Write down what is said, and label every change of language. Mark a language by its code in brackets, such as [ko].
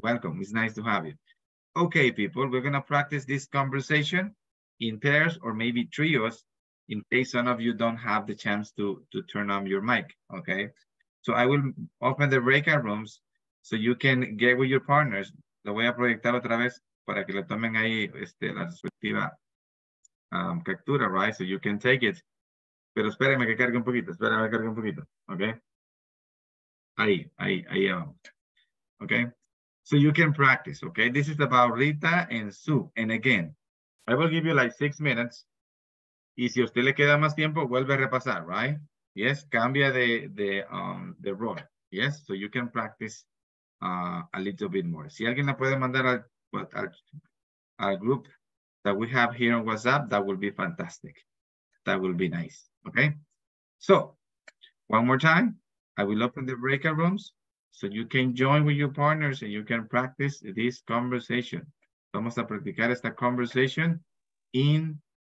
[en] Welcome, it's nice to have you. Okay, people, we're gonna practice this conversation in pairs or maybe trios, in case some of you don't have the chance to turn on your mic, okay? So I will open the breakout rooms so you can get with your partners. [es] Lo voy a proyectar otra vez para que le tomen ahí la respectiva captura, right? [en] So you can take it. [es] Pero espérenme que cargue un poquito, espérenme que cargue un poquito, okay? Ahí vamos, [en] okay? So you can practice, okay? This is about Rita and Sue. And again, I will give you like 6 minutes. [es] Y si a usted le queda más tiempo, vuelve a repasar, right? Yes, cambia de role. [en] Yes, so you can practice a little bit more. [es] Si alguien la puede mandar al [en] group that we have here on WhatsApp, that will be fantastic. That will be nice, okay? So, one more time, I will open the breakout rooms so you can join with your partners and you can practice this conversation. [es] Vamos a practicar esta [en] conversation in